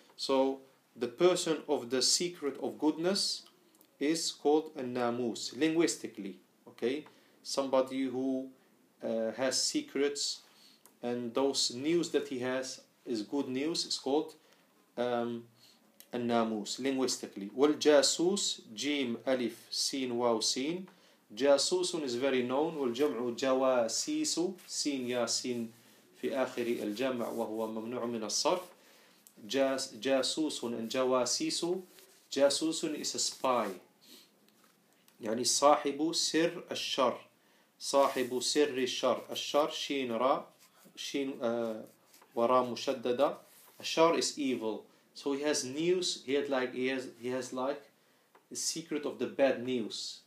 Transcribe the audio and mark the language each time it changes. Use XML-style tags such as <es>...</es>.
<en>So the person of the secret of goodness is called a namus linguistically. Okay, somebody who has secrets and those news that he has is good news, it's called الناموس linguistically.</en> <ar>والجاسوس جيم ألف سين واو سين. جاسوس</ar> <en>is very known,</en> <ar>والجمع جواسيس سين يا سين في آخر الجمع وهو ممنوع من الصرف. جاسوس and جواسيس. جاسوس</ar> <en>is a spy,</en> <ar>يعني صاحب سر الشر. صاحب سر الشر. الشر شين را شين وراء مشددة. الشر</ar> <en>is evil. So he has news. He has like the secret of the bad news.</en>